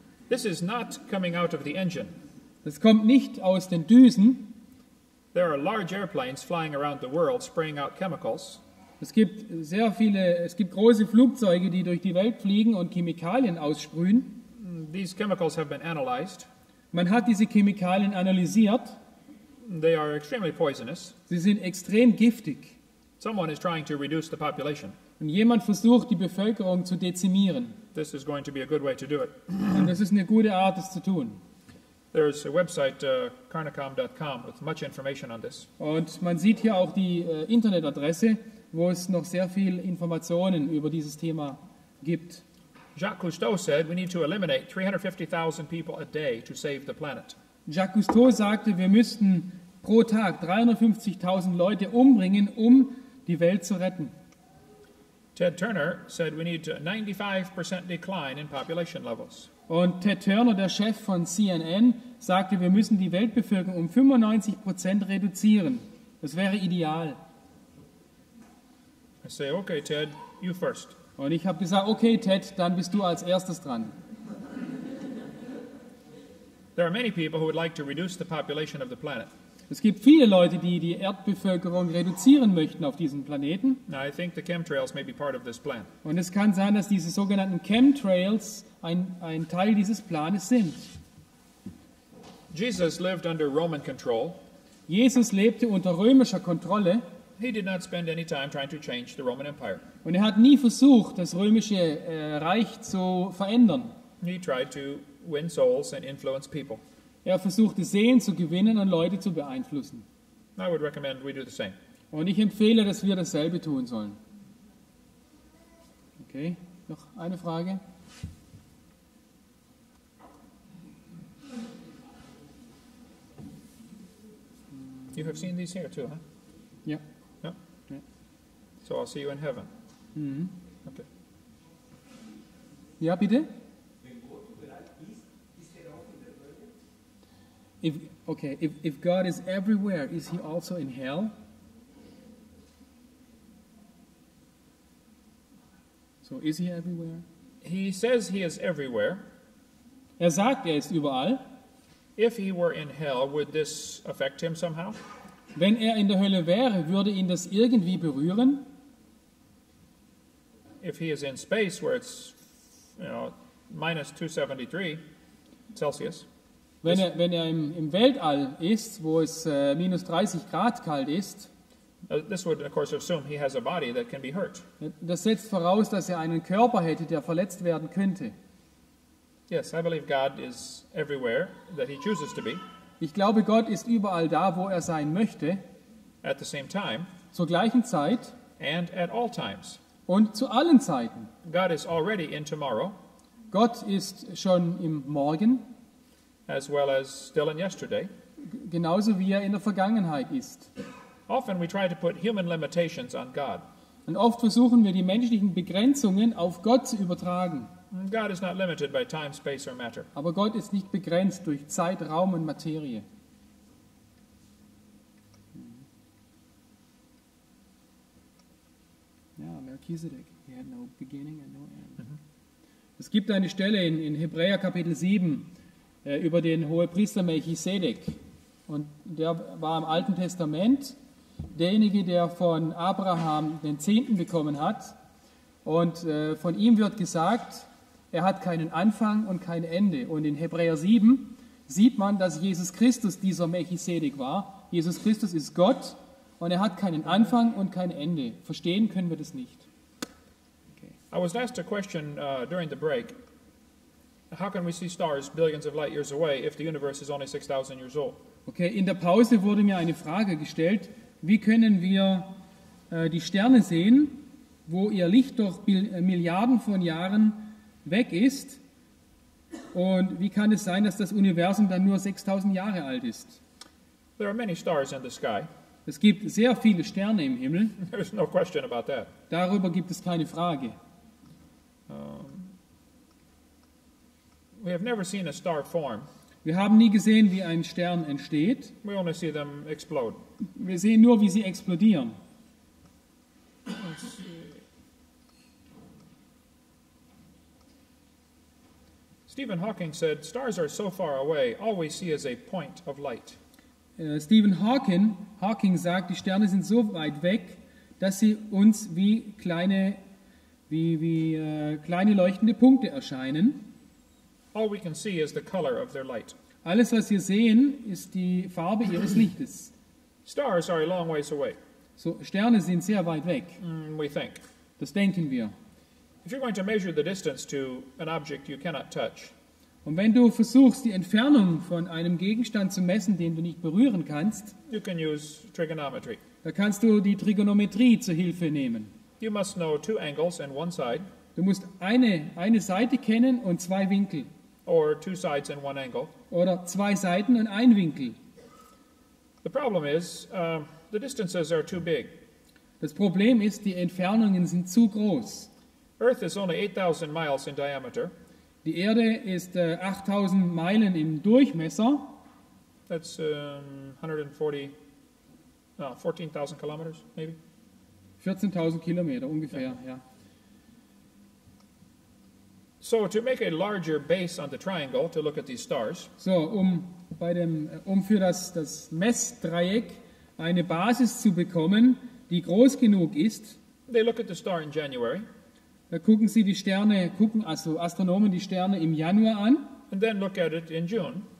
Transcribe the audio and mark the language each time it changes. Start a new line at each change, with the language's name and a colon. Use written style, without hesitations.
English: This is not coming out of the engine.
German: Das kommt nicht aus den Düsen.
English: There are large airplanes flying around the world spraying out chemicals.
German: Es gibt große Flugzeuge, die durch die Welt fliegen und Chemikalien aussprühen.
English: These chemicals have been analyzed.
German: Man hat diese Chemikalien analysiert.
English: They are extremely poisonous.
German: Sie sind extrem giftig.
English: Someone is trying to reduce the population.
German: Und jemand versucht, die Bevölkerung zu dezimieren.
English: This is going to be a good way to do it.
German: Und das ist eine gute Art, es zu tun.
English: There is a website, carnicom.com, with much information on this.
German: Und man sieht hier auch die Internetadresse, wo es noch sehr viel Informationen über dieses Thema gibt.
English: Jacques Cousteau said we need to eliminate 350,000 people a day to save the planet.
German: Jacques Cousteau sagte, wir müssten pro Tag 350,000 Leute umbringen, um die Welt zu retten.
English: Ted Turner said we need a 95% decline in population levels.
German: Und Ted Turner, der Chef von CNN, sagte, wir müssen die Weltbevölkerung um 95% reduzieren. Das wäre ideal.
English: I say, okay, Ted, you first.
German: Und ich habe gesagt, okay, Ted, dann bist du als erstes dran.
English: There are many people who would like to reduce the population of the planet.
German: Es gibt viele Leute, die die Erdbevölkerung reduzieren möchten auf diesem Planeten.
English: Now, I think the chemtrails may be part of this plan.
German: Und es kann sein, dass diese sogenannten Chemtrails ein Teil dieses Planes sind.
English: Jesus lived under Roman control.
German: Jesus lebte unter römischer Kontrolle.
English: He did not spend any time trying to change the Roman Empire.
German: Und er hat nie versucht, das römische Reich zu verändern.
English: He tried to win souls and influence people.
German: Er versuchte, Seelen zu gewinnen und Leute zu beeinflussen.
English: I would recommend we do the same.
German: Und ich empfehle, dass wir dasselbe tun sollen. Okay, noch eine Frage?
English: You have seen these here too, huh?
German: Ja.
English: So I'll see you in heaven. Mm-hmm. Okay.
German: Ja, bitte? Wenn Gott bereit ist,
English: If God is everywhere, is he also in hell? So is he everywhere? He says he is everywhere.
German: Er sagt, er ist überall.
English: If he were in hell, would this affect him somehow?
German: Wenn er in der Hölle wäre, würde ihn das irgendwie berühren?
English: If he is in space where it's, you know, minus 273 Celsius.
German: Wenn er im Weltall ist, wo es minus 30 Grad kalt ist.
English: This would of course assume he has a body that can be hurt.
German: Das setzt voraus, dass er einen Körper hätte, der verletzt werden könnte.
English: Yes, I believe God is everywhere that he chooses to be.
German: Ich glaube, Gott ist überall da, wo er sein möchte.
English: At the same time.
German: Zur gleichen Zeit.
English: And at all times.
German: Und zu allen Zeiten.
English: God is already in tomorrow.
German: Gott ist schon im Morgen.
English: As well as still in yesterday.
German: Genauso wie er in der Vergangenheit ist.
English: Often we try to put human limitations on God.
German: Und oft versuchen wir, die menschlichen Begrenzungen auf Gott zu übertragen.
English: God is not limited by time, space or matter.
German: Aber Gott ist nicht begrenzt durch Zeit, Raum und Materie.
English: Ja, Melchizedek, he had no beginning and no end. Mm-hmm.
German: Es gibt eine Stelle in Hebräer Kapitel 7 über den Hohepriester Melchizedek. Und der war im Alten Testament derjenige, der von Abraham den Zehnten bekommen hat. Und von ihm wird gesagt, er hat keinen Anfang und kein Ende. Und in Hebräer 7 sieht man, dass Jesus Christus dieser Melchizedek war. Jesus Christus ist Gott und er hat keinen Anfang und kein Ende. Verstehen können wir das nicht. Okay.
English: I was asked a question during the break. How can we see stars billions of light years away if the universe is only 6,000 years old?
German: Okay, in der Pause wurde mir eine Frage gestellt. Wie können wir die Sterne sehen, wo ihr Licht doch Milliarden von Jahren weg ist, und wie kann es sein, dass das Universum dann nur 6000 Jahre alt ist?
English: There are many stars in the sky.
German: Es gibt sehr viele Sterne im Himmel.
English: There's no question about that.
German: Darüber gibt es keine Frage.
English: We have never seen a star form.
German: Wir haben nie gesehen, wie ein Stern entsteht.
English: We only see them explode.
German: Wir sehen nur, wie sie explodieren.
English: Stephen Hawking said, "Stars are so far away. All we see is a point of light."
German: Stephen Hawking sagt, die Sterne sind so weit weg, dass sie uns wie kleine leuchtende Punkte erscheinen.
English: All we can see is the color of their light.
German: Alles, was wir sehen, ist die Farbe ihres Lichtes.
English: Stars are a long ways away.
German: So Sterne sind sehr weit weg.
English: We think.
German: Das denken wir.
English: If you're going to measure the distance to an object you cannot touch.
German: Und wenn du versuchst, die Entfernung von einem Gegenstand zu messen, den du nicht berühren kannst,
English: you can use trigonometry.
German: Da kannst du die Trigonometrie zur Hilfe nehmen.
English: You must know two angles and one side.
German: Du musst eine Seite kennen und zwei Winkel.
English: Or two sides and one angle.
German: Oder zwei Seiten und ein Winkel.
English: The problem is, the distances are too big.
German: Das Problem ist, die Entfernungen sind zu groß.
English: Earth is only 8,000 miles in diameter.
German: Die Erde ist 8,000 Meilen im Durchmesser.
English: That's 14,000 kilometers, maybe.
German: 14,000 Kilometer ungefähr, yeah. Ja.
English: So to make a larger base on the triangle to look at these stars.
German: So für das Messdreieck eine Basis zu bekommen, die groß genug ist.
English: They look at the star in January.
German: Da gucken Sie die Sterne, gucken also Astronomen die Sterne im Januar an.
English: And then look at it in June.